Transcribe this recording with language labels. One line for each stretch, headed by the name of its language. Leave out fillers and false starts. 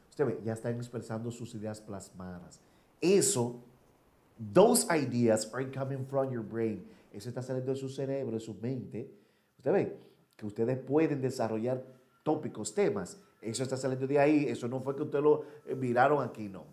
Spanish: Usted ve, ya están expresando sus ideas plasmadas.
English: Eso, those ideas are coming from your brain.
Spanish: Eso está saliendo de su cerebro, de su mente. Usted ve, que ustedes pueden desarrollar tópicos, temas. Eso está saliendo de ahí. Eso no fue que ustedes lo miraron aquí, no.